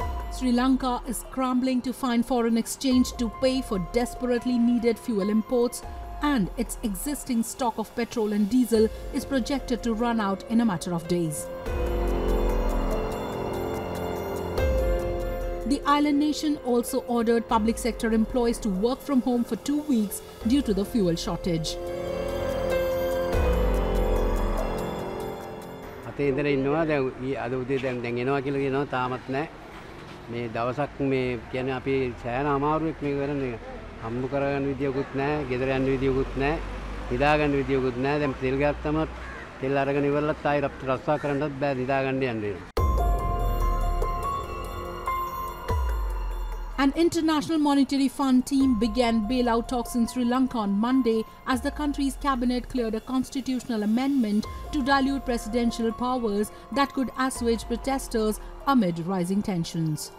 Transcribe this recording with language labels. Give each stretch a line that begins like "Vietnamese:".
English: Sri Lanka is scrambling to find foreign exchange to pay for desperately needed fuel imports, and its existing stock of petrol and diesel is projected to run out in a matter of days. The island nation also ordered public sector employees to work from home for 2 weeks due to the fuel shortage.
Sinhala: අතේ ඉඳලා ඉන්නවා දැන් අද උදේ දැන් එනවා කියලා කියනවා තාමත් නැහැ මේ දවසක් මේ කියන්නේ අපි සෑහන අමාරුවෙක් මේ කරන්නේ හම්බ කරගන්න විදියකුත් නැහැ ගෙදර යන්න විදියකුත් නැහැ නිදාගන්න විදියකුත් නැහැ දැන් තෙල් ගත්තම තෙල් අරගෙන ඉවරලත් ආයි රස්සා කරන්නත් බෑ නිදාගන්න යන්න වෙනවා.
English: An International Monetary Fund team began bailout talks in Sri Lanka on Monday as the country's cabinet cleared a constitutional amendment to dilute presidential powers that could assuage protesters amid rising tensions.